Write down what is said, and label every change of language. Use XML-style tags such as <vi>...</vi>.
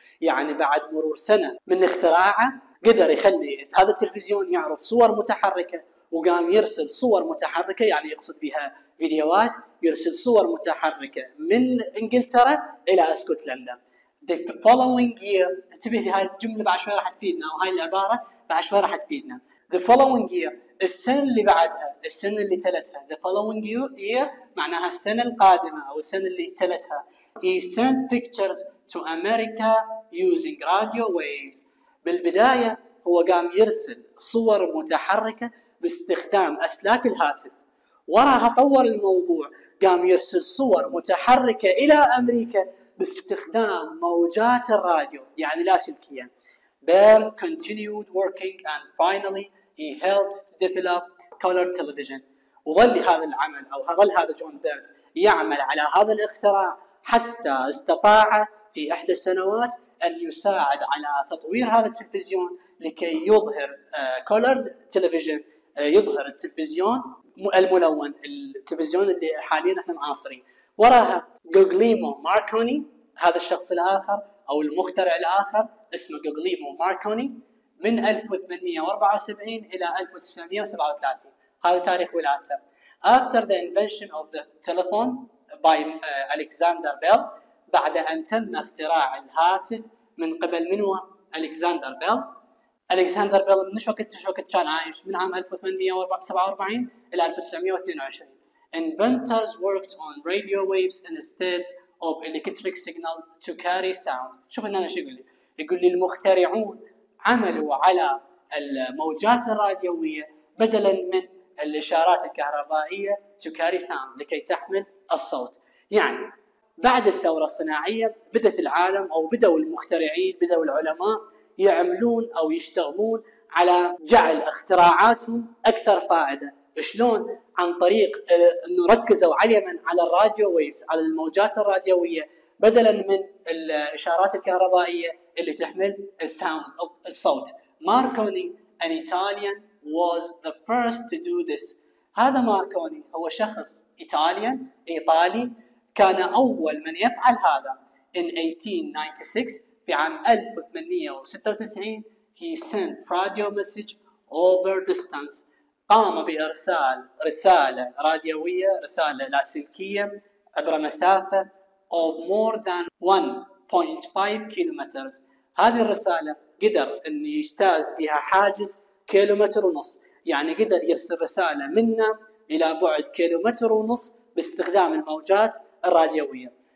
<ar>يعني بعد مرور سنه من اختراعه قدر يخلي هذا التلفزيون يعرض صور متحركه، وقام يرسل صور متحركه، يعني يقصد بها فيديوهات، يرسل صور متحركه من انجلترا الى اسكتلندا.</ar> <en>The following year،</en> <ar>انتبه لهذه الجمله بعد شوي راح تفيدنا، وهاي العباره بعد شوي راح تفيدنا.</ar> <en>The following year،</en> <ar>السنة اللي بعدها، السنة اللي تلتها،</ar> <en>the following year</en> <ar>معناها السنة القادمة أو السنة اللي تلتها،</ar> <en>he sent pictures to America using radio waves.</en> <ar>بالبداية هو قام يرسل صور متحركة باستخدام أسلاك الهاتف، وراها طور الموضوع، قام يرسل صور متحركة إلى أمريكا باستخدام موجات الراديو، يعني لاسلكية.</ar> <en>Bell continued working and finally he helped develop color television.</en> <ar>وظل هذا العمل او ظل هذا جون بيرد يعمل على هذا الاختراع حتى استطاع في احدى السنوات ان يساعد على تطوير هذا التلفزيون لكي يظهر</ar> <en>colored television،</en> <ar>يظهر التلفزيون الملون، التلفزيون اللي حاليا احنا معاصرين، وراها جوجليمو ماركوني، هذا الشخص الاخر او المخترع الاخر اسمه جوجليمو ماركوني، من 1874 الى 1937، هذا تاريخ ولادته.</ar> <en>After the invention of the telephone by Alexander Bell،</en> <ar>بعد ان تم اختراع الهاتف من قبل من هو؟</ar> <en>Alexander Bell.</en> <ar>Alexander Bell من شو وقت كان عايش؟ من عام 1847 الى 1922.</ar> <en>Inventors worked on radio waves instead of electric signal to carry sound.</en> <ar>شوف ان انا شو يقول لي؟ يقول لي المخترعون عملوا على الموجات الراديوية بدلا من الإشارات الكهربائية</ar> <en>to carry sound</en> <ar>لكي تحمل الصوت. يعني بعد الثورة الصناعية بدأت العالم أو بدأوا المخترعين بدأوا العلماء يعملون أو يشتغلون على جعل اختراعاتهم أكثر فائدة. شلون؟ عن طريق أنه ركزوا عليما على الراديو ويفز، على الموجات الراديوية بدلا من الإشارات الكهربائية اللي تحمل الساوند أو الصوت.</ar> <en>Marconi an Italian was the first to do this.</en> <ar>هذا ماركوني هو شخص إيطاليان إيطالي كان أول من يفعل هذا.</ar> <en>In 1896</en> <ar>في عام 1896</ar> <en>he sent radio message over distance.</en> <ar>قام بإرسال رسالة راديوية، رسالة لاسلكية عبر مسافة</ar> <en>of more than 1.5 kilometers.</en> <ar>هذه الرسالة قدر أن يجتاز بها حاجز كيلومتر ونص، يعني قدر يرسل رسالة منا إلى بعد كيلومتر ونص باستخدام الموجات الراديوية.</ar>